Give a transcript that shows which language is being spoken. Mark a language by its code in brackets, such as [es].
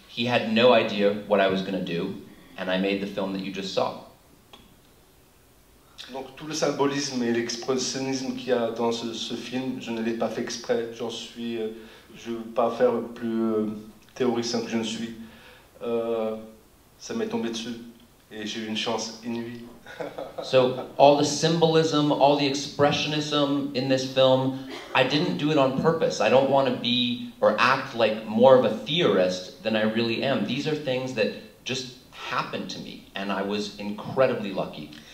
[en] He had no idea what I was going to do, and I made the film that you just saw. [fr] Donc tout le symbolisme et l'expressionnisme qu'il y a dans ce film, je ne l'ai pas fait exprès. Je ne veux pas faire plus théoricien que je ne suis. Ça m'est tombé dessus et j'ai eu une chance inouïe. [en] So all the symbolism, all the expressionism in this film, I didn't do it on purpose. I don't want to be or act like more of a theorist than I really am. These are things that just happened to me and I was incredibly lucky.